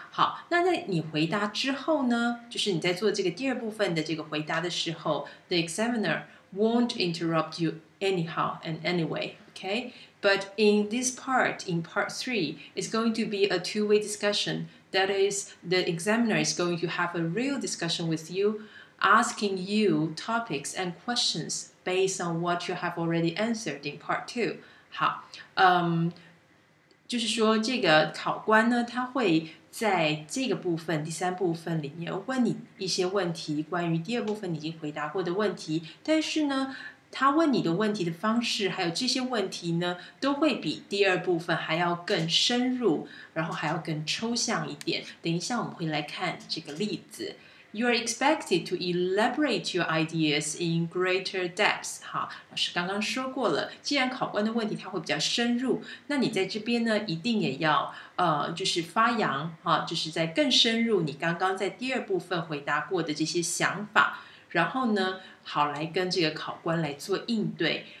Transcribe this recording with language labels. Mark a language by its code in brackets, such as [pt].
[zh] 好，那在你回答之后呢，就是你在做这个第二部分的这个回答的时候， [en] the examiner won't interrupt you anyhow and anyway, okay? But in this part, in part 3, it's going to be a two-way discussion. That is, the examiner is going to have a real discussion with youasking you topics and questions based on what you have already answered in part two. [zh] 好，就是说这个考官呢，他会在这个部分，第三部分里面问你一些问题，关于第二部分已经回答过的问题，但是呢，他问你的问题的方式，还有这些问题呢，都会比第二部分还要更深入，然后还要更抽象一点。等一下我们会来看这个例子。 [en] You are expected to elaborate your ideas in greater depth. [zh] 好，老师刚刚说过了，既然考官的问题它会比较深入，那你在这边呢，一定也要就是发扬哈，就是在更深入你刚刚在第二部分回答过的这些想法，然后呢，好来跟这个考官来做应对。